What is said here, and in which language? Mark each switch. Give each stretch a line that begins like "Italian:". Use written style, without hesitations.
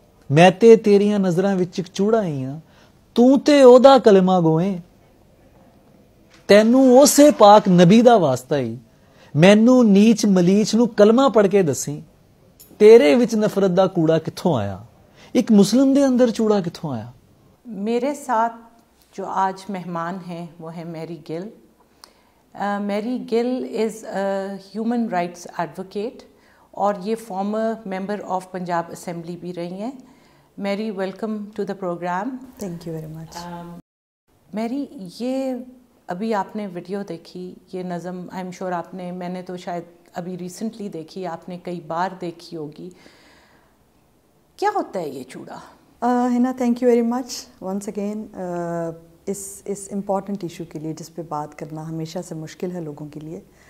Punjabi: میں تے تیریاں نظراں وچ اک چوڑا ہی ہاں، توں تے او دا کلمہ گوئیں، تینوں اسے پاک نبی دا واسطہ ہی. مینوں نیچ ملیچ نوں کلمہ پڑھ کے دسی، تیرے وچ نفرت دا کوڑا کتھوں آیا؟ اک مسلم دے اندر چوڑا کتھوں آیا؟
Urdu: میرے ساتھ جو آج مہمان ہیں وہ ہیں میری گل.
English: Mary Gill is a human rights advocate
Urdu: اور یہ
English: former member of Punjab assembly
Urdu: بھی رہی ہیں.
English: Mary welcome to the program. Thank you very much Mary.
Urdu: یہ ابھی آپ نے ویڈیو دیکھی، یہ نظم
English: I am sure
Urdu: آپ نے، میں نے تو شاید ابھی ریسنٹلی دیکھی، آپ نے کئی بار دیکھی ہوگی. کیا ہوتا ہے یہ چوڑا؟ ہنا
English: thank you very much once again
Urdu: اس important issue کے لیے جس پہ بات کرنا ہمیشہ سے مشکل ہے لوگوں کے لیے.